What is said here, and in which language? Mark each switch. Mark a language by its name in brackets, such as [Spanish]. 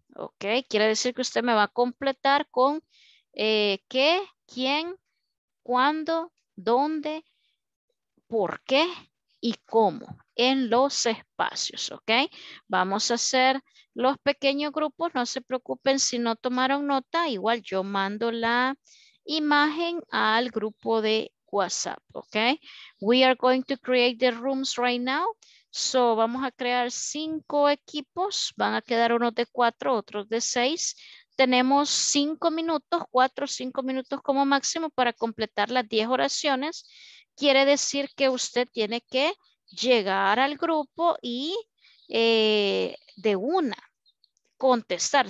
[Spanish] Ok, quiere decir que usted me va a completar con qué, quién, cuándo, dónde, por qué y cómo en los espacios, ¿ok? Vamos a hacer los pequeños grupos, no se preocupen si no tomaron nota, igual yo mando la imagen al grupo de WhatsApp, ¿ok? [English] We are going to create the rooms right now. [Spanish] So, vamos a crear 5 equipos, van a quedar unos de 4, otros de 6. Tenemos 5 minutos, 4 o 5 minutos como máximo para completar las 10 oraciones. Quiere decir que usted tiene que llegar al grupo y de una contestar.